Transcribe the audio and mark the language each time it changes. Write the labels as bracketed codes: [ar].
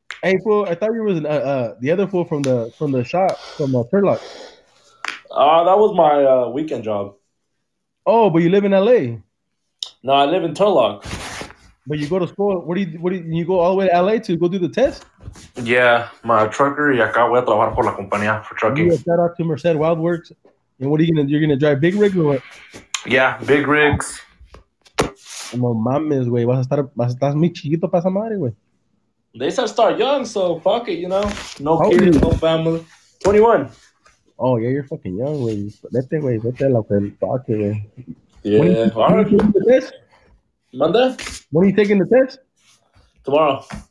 [en] Hey, fool, I thought you was the other fool from the shop, from Turlock. That was my weekend job. Oh, but you live in L.A.? No, I live in Turlock. But you go to school. What do you go all the way to L.A. to go do the test? Yeah, my trucker. [es] Y acá voy a trabajar por la compañía [en] for trucking. Shout out to Merced Wild Works. And what are you gonna do? You're gonna drive big rigs or what? Yeah, big rigs. [es] No mames, güey. Vas a estar muy chiquito para esa madre, güey. [en] They said start young, so fuck it, you know. No kids, no family. 21. Oh yeah, you're fucking young, [es] güey. Vete, güey. Vete a lo que toque, güey. [en] Yeah. All right. Monday. When are you taking the test? Tomorrow.